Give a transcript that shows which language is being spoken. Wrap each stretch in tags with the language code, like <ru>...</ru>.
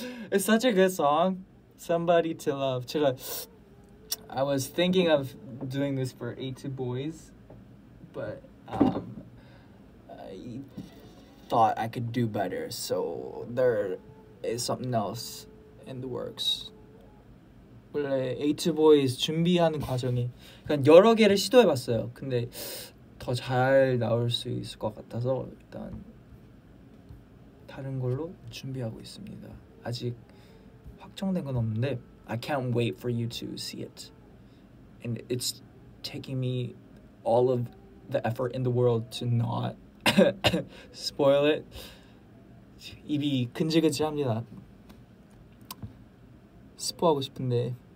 <en>It's such a good song. Somebody to love. I was thinking of doing this for A2 Boyz, but I thought I could do better, so there is something else in the works.</en> <ko>원래 A2 Boyz 준비하는 과정에 그냥 여러 개를 시도해봤어요. 근데 더 잘 나올 수 있을 것 같아서 일단 다른 걸로 준비하고 있습니다. 아직 확정된 건 없는데</ko> <en>I can't wait for you to see it. And it's taking me all of the effort in the world to not spoil it.</en> <ko>입이 근질근질합니다. 스포하고 싶은데</ko>